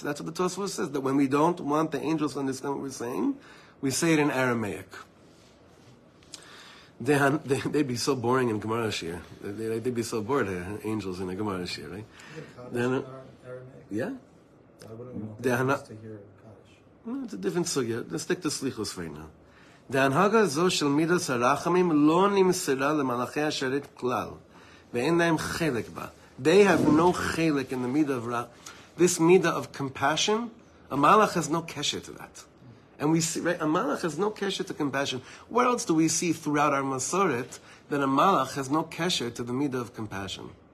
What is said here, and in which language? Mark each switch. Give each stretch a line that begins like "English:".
English: That's what the Tosfos says. That when we don't want the angels to understand what we're saying, we say it in Aramaic. They'd be so boring in Gemara Shir. They'd be so bored, angels in a Gemara Shir, right? Yeah. I wouldn't want to hear Kaddish. It's a different sugya. Let's stick to Slichos right now.
Hebrew: דהנהגה זו של מידות הרחמים לא נמסרה למלאכי השרת כלל, ואין להם חלק בה.
English: They have no חלק in the midah of rah. This midah of compassion, a malach has no kesher to that. And we see, right, a malach has no kesher to compassion. What else do we see throughout our masoret that a malach has no kesher to the midah of compassion?